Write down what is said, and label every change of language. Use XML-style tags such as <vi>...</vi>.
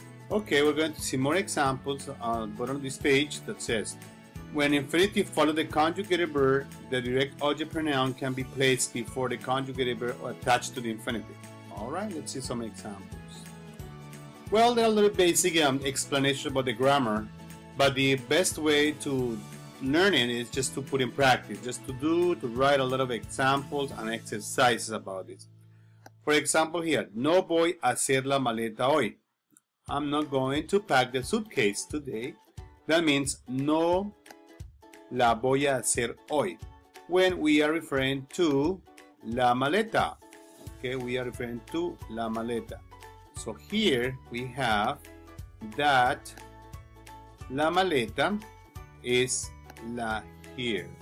<en>Okay, we're going to see more examples on the bottom of this page that says, when infinitive follows the conjugated verb, the direct object pronoun can be placed before the conjugated verb or attached to the infinitive. All right, let's see some examples. Well, there are a little basic explanation about the grammar, but the best way to learn it is just to put in practice, just to write a lot of examples and exercises about this. For example here,</en> <es>no voy a hacer la maleta hoy.</es> <en>I'm not going to pack the suitcase today. That means</en> <es>no la voy a hacer hoy.</es> <en>When we are referring to la maleta. Okay, we are referring to la maleta. So here we have that la maleta is la here.</en>